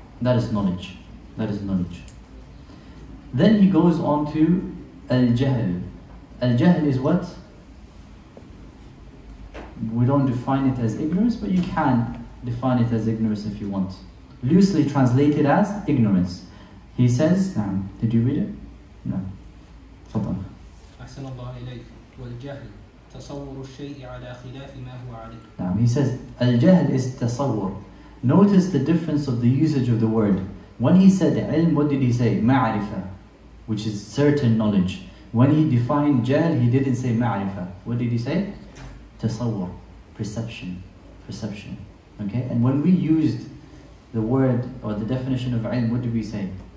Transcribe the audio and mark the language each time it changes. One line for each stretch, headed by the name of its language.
English: That is knowledge. That is knowledge. Then he goes on to al-jahl. Al-jahl is what? We don't define it as ignorance, but you can define it as ignorance if you want. Loosely translated as ignorance. He says, did you read it? No. Fadal.
Arabic: أحسن الله إليك والجهل تصور الشيء على خلاف ما هو عليه.
English: Now he says, الجهل is تصور. Notice the difference of the usage of the word. When he said علم, what did he say? معرفة, which is certain knowledge. When he defined جهل, he didn't say معرفة. What did he say? تصور, perception, perception. Okay, and when we used the word or the definition of علم, what did we say?